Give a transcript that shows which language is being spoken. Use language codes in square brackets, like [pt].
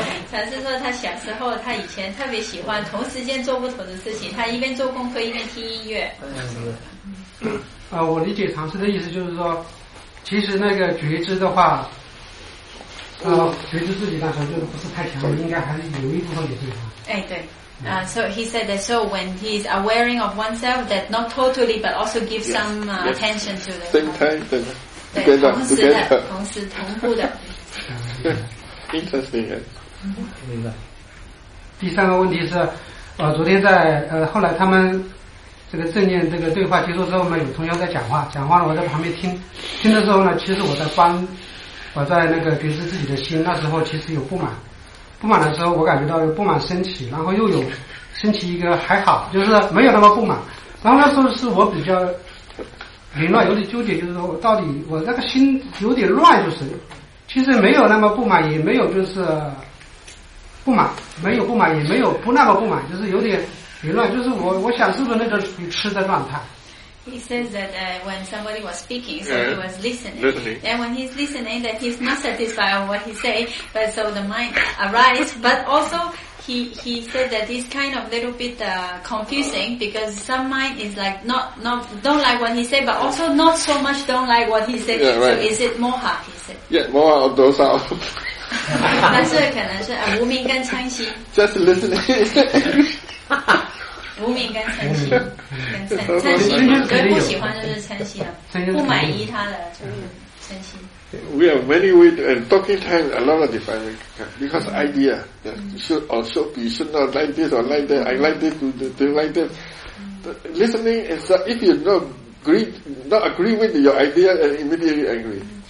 [zh] 禅师说他小时候他以前特别喜欢同时间做不同的事情，他一边做功课一边听音乐。我理解禅师的意思就是说，其实那个觉知的话，觉知自己那时候就不是太强了，应该还是有一部分也对吧？哎，对。 [en] So he said that so when he is aware of oneself, that not totally, but also give some attention to the same time, [zh] 对吧？对，同时同步的。 [en] Interesting. [zh] 明白。第三个问题是，昨天在后来他们。这个正念这个对话结束之后呢，有同学在讲话，讲话了我在旁边听，听的时候呢，其实我在帮，我在那个觉知自己的心，那时候其实有不满，不满的时候我感觉到有不满升起，然后又有升起一个还好，就是没有那么不满，然后那时候是我比较凌乱，有点纠结，就是说我到底我那个心有点乱，就是其实没有那么不满，也没有就是不满，没有不满，也没有不那么不满，就是有点凌乱，就是我想是不是那个痴的状态。 [en] He says that when somebody was speaking, so he was listening. Literally. And when he's listening, that he's not satisfied with what he say, but so the mind arises. But also, he said that it's kind of little bit confusing because some mind is like don't like what he say, but also not so much don't like what he say. Yeah, right. So is it moha? He said. Yeah, moha or dosa. [zh] 但是可能是无明跟嗔心。 [en] Just listening. [zh] 无名跟嗔心，跟嗔心，所以不喜欢就是嗔心了，不满意他的就是嗔心。 [en] We have many ways and talking time a lot of defining because idea should not like this or like that. I like this, they like that. Listening is if you not agree with your idea and immediately angry.